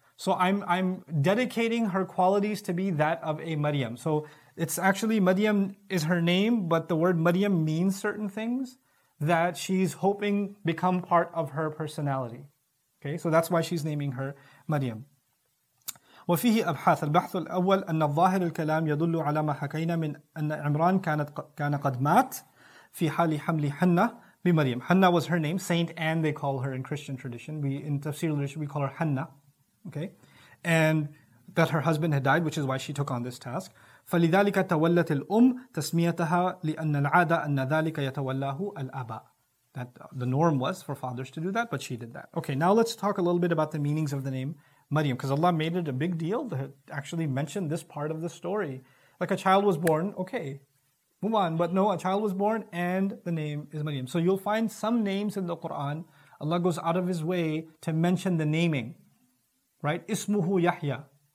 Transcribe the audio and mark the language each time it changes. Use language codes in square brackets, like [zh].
[en] So I'm dedicating her qualities to be that of a Maryam. So it's actually Maryam is her name, but the word Maryam means certain things that she's hoping become part of her personality. Okay, so that's why she's naming her Maryam. [ar] وفيه أبحاث البحث الأول أن الظاهر الكلام يدل على ما حكينا من أن عمران كان قد مات في حال حمل حنة بمريم. [en] Hannah was her name. Saint Anne, they call her in Christian tradition. In Tafsir tradition, we call her Hannah. Okay, and that her husband had died, which is why she took on this task. [ar] فلذلك تولت الأم تسميتها لأن العادة أن ذلك يتولاه الأباء. [en] That the norm was for fathers to do that, but she did that. Okay, now let's talk a little bit about the meanings of the name Maryam, because Allah made it a big deal to actually mention this part of the story. Like a child was born, okay, move on. But no, a child was born and the name is Maryam. So you'll find some names in the Quran, Allah goes out of His way to mention the naming, right? Ismuhu Yahya.